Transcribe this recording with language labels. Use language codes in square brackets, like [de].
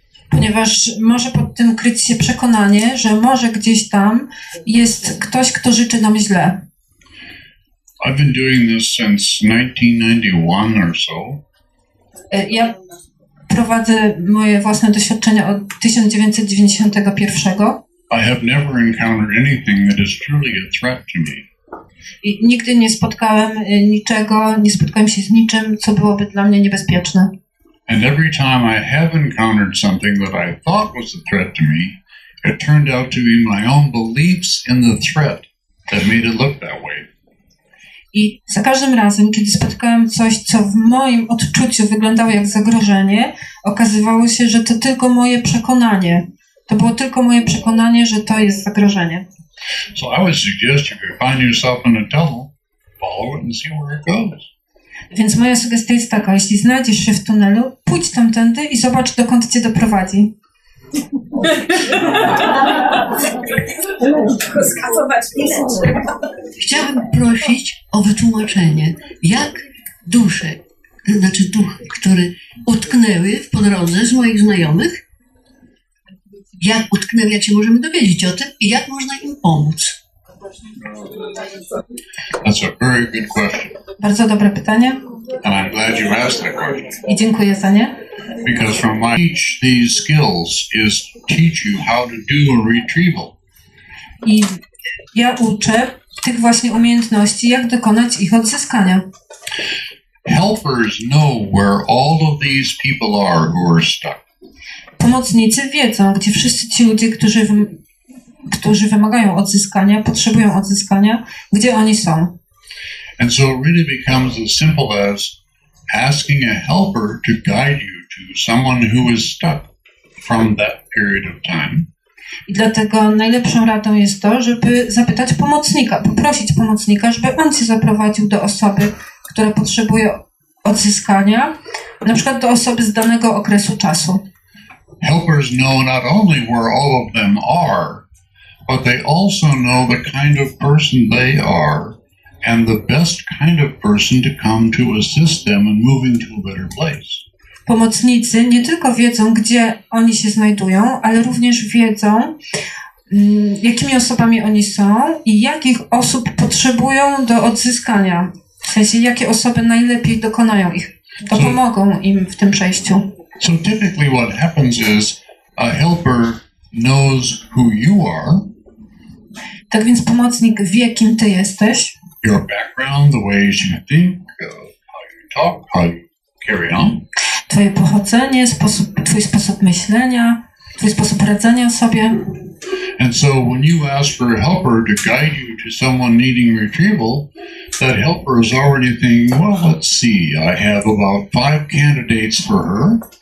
[pl] Ponieważ może pod tym kryć się przekonanie, że może gdzieś tam jest ktoś, kto życzy nam źle. [en] I've been doing this since 1991 or so. [pl] Ja prowadzę moje własne doświadczenia od 1991. [en] I have never encountered anything that is truly a threat to me. [pl] I nigdy nie spotkałem niczego, nie spotkałem się z niczym, co byłoby dla mnie niebezpieczne. [en] And every time I have encountered something that I thought was a threat to me, it turned out to be my own beliefs in the threat that made it look that way. [pl] I za każdym razem, kiedy spotkałem coś, co w moim odczuciu wyglądało jak zagrożenie, okazywało się, że to tylko moje przekonanie. To było tylko moje przekonanie, że to jest zagrożenie. [en] So I would suggest if you find yourself in a tunnel, follow it and see where it goes. [pl] Więc moja sugestia jest taka, jeśli znajdziesz się w tunelu, pójdź tamtędy i zobacz, dokąd cię doprowadzi. Chciałabym prosić o wytłumaczenie, jak dusze, znaczy duchy, które utknęły w po drodze z moich znajomych, jak utknęły, jak się możemy dowiedzieć o tym i jak można im pomóc. [en] That's a very good question. [pl] Bardzo dobre pytanie. [en] And I'm glad you asked that question. [pl] I dziękuję za nie. [en] because from my teach these skills is teach you how to do a retrieval. [pl] I ja uczę tych właśnie umiejętności, jak dokonać ich odzyskania. [en] Helpers know where all of these people are who are stuck. [pl] Pomocnicy wiedzą, gdzie wszyscy ci ludzie, którzy wymagają odzyskania, potrzebują odzyskania, gdzie oni są. [en] And so it really becomes as simple as asking a helper to guide you to someone who is stuck from that period of time. [pl] I dlatego najlepszą radą jest to, żeby zapytać pomocnika, poprosić pomocnika, żeby on cię zaprowadził do osoby, która potrzebuje odzyskania, na przykład do osoby z danego okresu czasu. [en] Helpers know not only where all of them are, but they also know the kind of person they are and the best kind of person to come to assist them in moving to a better place. [pl] Pomocnicy nie tylko wiedzą, gdzie oni się znajdują, ale również wiedzą, jakimi osobami oni są i jakich osób potrzebują do odzyskania. W sensie, jakie osoby najlepiej dokonają ich, dopomogą im w tym przejściu. [en] So typically what happens is a helper knows who you are. [pl] Tak więc pomocnik wie, kim ty jesteś. [en] Your background, the ways you think, how you talk, how you carry on. [pl] Twoje pochodzenie, twój sposób myślenia, twój sposób radzenia sobie. [en] And so when you ask for a helper to guide you to someone needing retrieval, that helper is already thinking, well, let's see, I have about 5 candidates for her.